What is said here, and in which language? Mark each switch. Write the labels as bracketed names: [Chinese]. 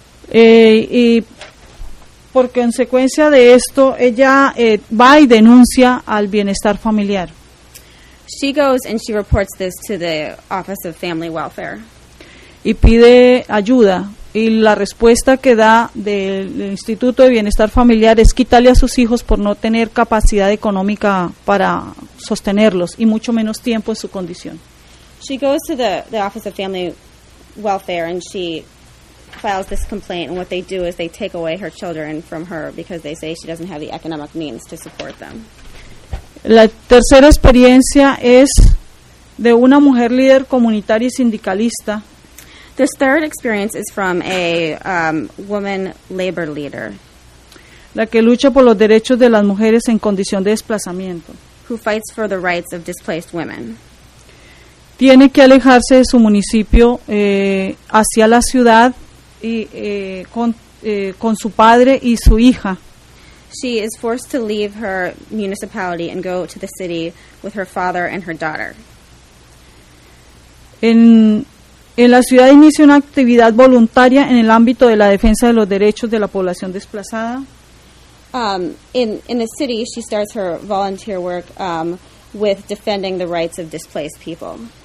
[Spanish] Y por consecuencia de esto, ella va y denuncia al bienestar familiar. [English] She goes and she reports this to the Office of Family Welfare. [Spanish] Y pide ayuda. Y la respuesta que da del Instituto de Bienestar Familiar es quitarle a sus hijos por no tener capacidad económica para sostenerlos, y mucho menos tiempo en su condición. [English] She goes to the Office of Family Welfare and she files this complaint, and what they do is they take away her children from her because they say she doesn't have the economic means to support them. [Spanish] La tercera experiencia es de una mujer líder comunitaria y sindicalista. [English] This third experience is from a woman labor leader. [Spanish] La que lucha por los derechos de las mujeres en condición de desplazamiento. [English] Who fights for the rights of displaced women. [Spanish] Tiene que alejarse de su municipio hacia la ciudad y con su padre y su hija. [English] She is forced to leave her municipality and go to the city with her father and her daughter. [Spanish] En la ciudad inicia una actividad voluntaria en el ámbito de la defensa de los derechos de la población desplazada. [English] In the city, she starts her volunteer work with defending the rights of displaced people.